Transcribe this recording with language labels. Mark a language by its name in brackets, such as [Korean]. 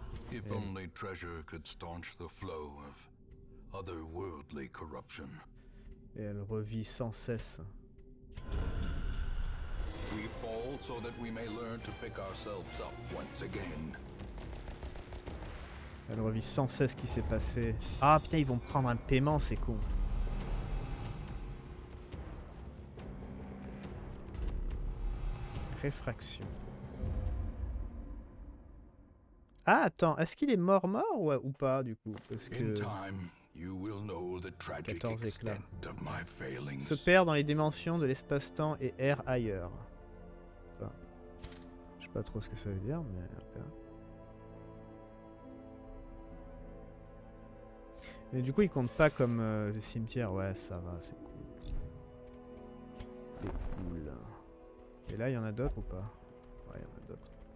[English] If only treasure could staunch the flow of otherworldly corruption. [French] Et elle revit sans cesse. [English] We fall so that we may learn to pick ourselves up once again. [French] Elle revit sans cesse ce qui s'est passé. Ah putain, ils vont prendre un paiement, c'est con. Réfraction. Ah attends, est-ce qu'il est mort ou pas du coup? Parce que... [English] You will know the tragic extent of my failings. [French] Se perd dans les dimensions de l'espace-temps et erre ailleurs. Je sais pas trop ce que ça veut dire, mais... Et du coup, il compte pas comme le cimetière. Ouais, ça va, c'est cool. C'est cool. Et là, il y en a d'autres ou pas? Ouais, il y en a d'autres.